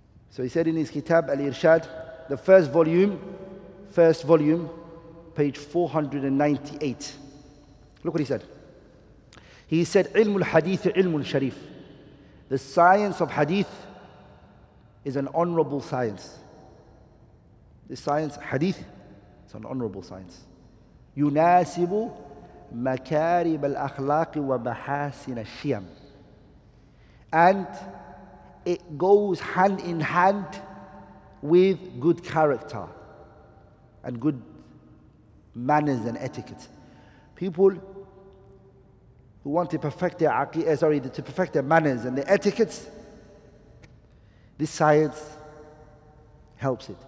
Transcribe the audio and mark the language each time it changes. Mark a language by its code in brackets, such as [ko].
[en] So he said in his kitab Al-Irshad, the first volume, page 498. Look what he said. [ar] He said, "Ilm al-Hadith, ilm al-Sharif." [en] The science of hadith is an honorable science. The science, hadith, it's an honorable science. [ar] يناسب مكارب الأخلاق ومحاسن الشيم. [en] And it goes hand in hand with good character and good manners and etiquette. People who want to perfect their manners and their etiquettes, this science helps it.